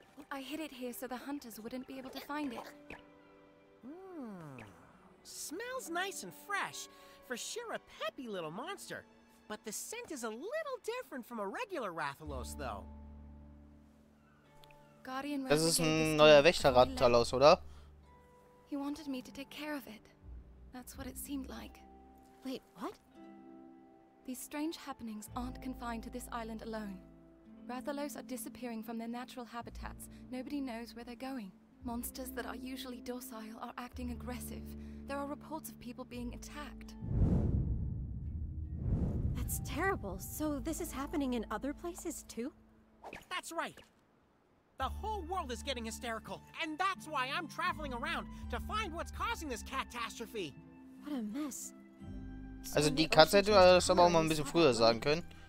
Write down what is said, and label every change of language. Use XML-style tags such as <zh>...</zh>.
<en>I hid it here so the hunters wouldn't be able to find it. Mm. Smells nice and fresh. For sure a peppy little monster. But the scent is a little different from a regular Rathalos, though. Guardian Rathalos.</en> <de>Das ist ein neuer Wächter Rathalos, oder?</de> <en>He wanted me to take care of it. That's what it seemed like. Wait, what? These strange happenings aren't confined to this island alone. Rathalos are disappearing from their natural habitats. Nobody knows where they're going. Monsters that are usually docile are acting aggressive. There are reports of people being attacked. That's terrible. So this is happening in other places too? That's right. The whole world is getting hysterical, and that's why I'm traveling around to find what's causing this catastrophe. What a mess.</en> <de>Also die Katze hätte das aber auch mal ein bisschen früher sagen können.</de>